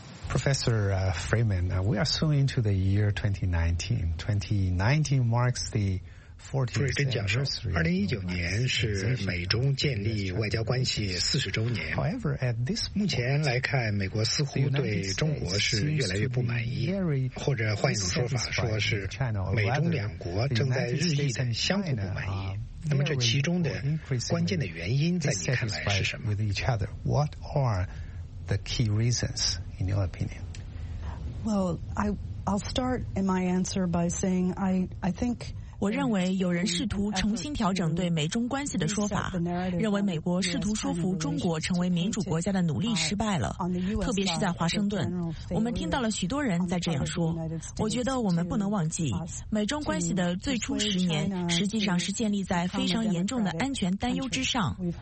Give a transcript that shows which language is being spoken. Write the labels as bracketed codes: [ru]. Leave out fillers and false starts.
[en] Professor Freeman, we are soon into the year 2019. 2019 marks the [zh] 瑞珍教授，2019年是美中建立外交关系40周年。目前来看，美国似乎对中国是越来越不满意，或者换一种说法，说是美中两国正在日益的相互不满意。那么，这其中的关键的原因，在你看来是什么 [en] ？What are the key reasons in your opinion? Well, I'll start in my answer by saying I think. [zh] 我认为有人试图重新调整对美中关系的说法，认为美国试图说服中国成为民主国家的努力失败了，特别是在华盛顿，我们听到了许多人在这样说。我觉得我们不能忘记，美中关系的最初10年实际上是建立在非常严重的安全担忧之上。